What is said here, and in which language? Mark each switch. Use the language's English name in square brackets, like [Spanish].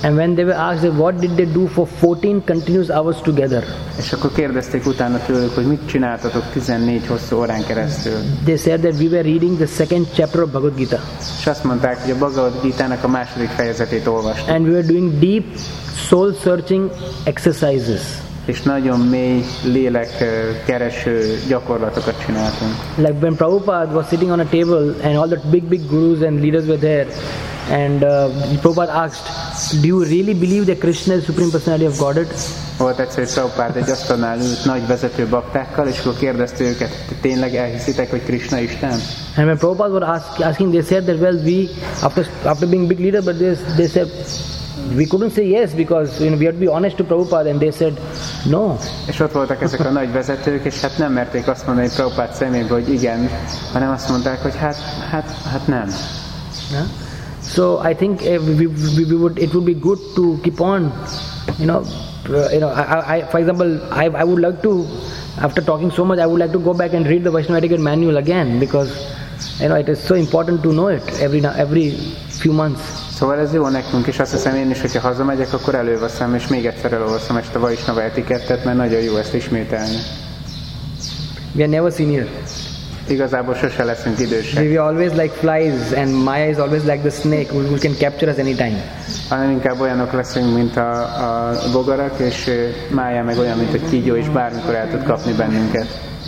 [English] And when they were asked, what did they do for 14 continuous hours together? [Hungarian] És akkor kérdezték utána tőlük, hogy mit csináltatok 14 hosszú órán keresztül. [English] They said that we were reading the second chapter of Bhagavad Gita. [Hungarian] És azt mondták, hogy a Bhagavad Gita-nak a második fejezetét olvastuk. [English] And we were doing deep soul searching exercises. [Hungarian] És nagyon mély lélek kereső gyakorlatokat csináltunk. [English] Like when Prabhupada was sitting on a table and all the big gurus and leaders were there, and Prabhupada asked, do you really believe that Krishna is the Supreme Personality of Godhead? [Hungarian] Volt egyszer, hogy Prabhupada egy asztalnál ült nagy vezető baktákkal, és akkor kérdezte őket, tényleg elhiszitek, hogy Krishna Isten? [English] And when Prabhupada was asking, they said that, well, we, after being big leader, but they said, we couldn't say yes, because we had to be honest to Prabhupada, and they said no. [Hungarian] És ott voltak ezek a nagy vezetők, és hát nem merték azt mondani Prabhupada szemébe, hogy igen, hanem azt mondták, hogy hát nem. [English] Yeah. So I think it would be good to keep on, I would like to, after talking so much, I would like to go back and read the Vaishnava etiquette manual again, because it is so important to know it every few months. [Hungarian] Szóval ez jó nekünk, és azt hiszem én is, hogyha hazamegyek, akkor előveszem, és még egyszer elolvaszom ezt a Vaisnava etikettet, mert nagyon jó ezt ismételni. [English] We are never senior. [Hungarian] Igazából sose leszünk idősek. [English] We are always like flies, and Maya is always like the snake, who can capture us anytime. [Hungarian] Hanem inkább olyanok leszünk, mint a bogarak, és Maya meg olyan, mint a kígyó, és bármikor el tud kapni bennünket.